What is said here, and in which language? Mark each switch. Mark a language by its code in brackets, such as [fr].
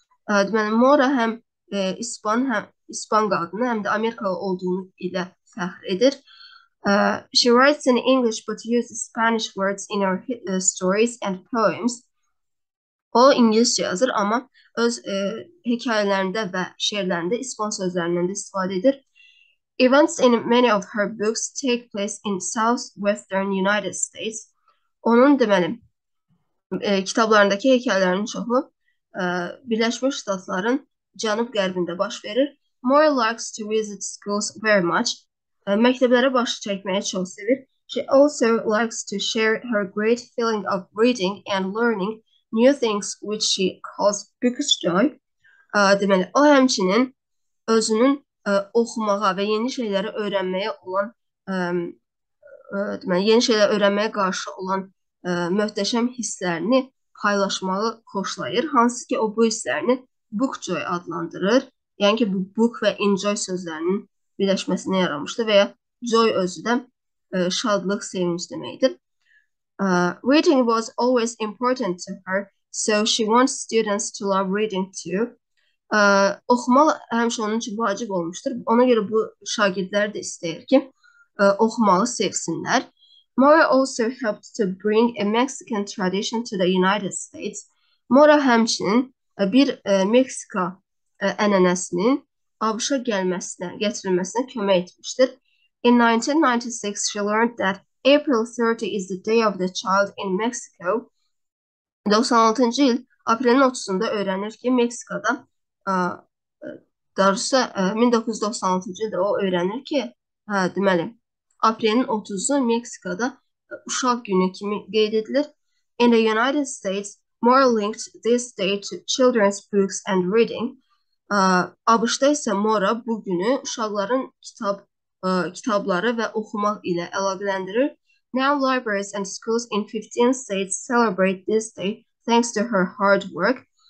[az] Deməli, Mora həm İspan, həm İspan qadını, həm də Amerikalı olduğunu ilə fəxr edir. [en] She writes in English but uses Spanish words in her stories and poems. [az] O İngilizce yazır ama öz hikayelerinde ve şiirlerinde İspan sözlerinden de istifade edir. [en] Events in many of her books take place in Southwestern United States. [az] Onun demelim kitaplarındaki hikayelerin çoğu Birleşmiş Ştatların Cənub Qərbində baş verir. [en] Mora likes to visit schools very much. [az] Məktəblərə baş çəkməyi çox sevir. [en] She also likes to share her great feeling of reading and learning new things which she calls bookish joy. [az] Deməli, o həmçinin özünün oxumağa və yeni şeyləri öyrənməyə olan deməli, yeni şeyləri öyrənməyə qarşı olan möhtəşəm hisslərini paylaşmağı xoşlayır. Hansı ki, o bu hisslərini Bookjoy adlandırır. Yəni ki, bu book və enjoy sözlərinin birləşməsinə yaranmışdır və ya joy özü də şadlıq, sevinç deməkdir. [en] Reading was always important to her, so she wants students to love reading too. [az] Oxumaq həmişə onun üçün vacib olmuşdur. Ona görə bu şagirdlər də istəyir ki, oxumağı sevsinlər. [en] Mora also helped to bring a Mexican tradition to the United States. [az] Mora həmçinin bir Meksika ənənəsinin ABŞ-a gətirilməsinə kömək etmiştir. [en] In 1996, she learned that April 30 is the day of the child in Mexico. [az] 96-cı il, aprelin 30-unda öyrənir ki, Meksikada, darısı 1996-cı ildə o öyrənir ki, deməli, aprelin 30-u Meksikada uşaq günü kimi qeyd edilir. [en] In the United States, Mora linked this day to children's books and reading. [az] ABŞ-da isə Mora bu günü uşaqların kitabları və oxumaq ilə əlaqələndirir. [en] Now libraries and schools in 15 states celebrate this day thanks to her hard work.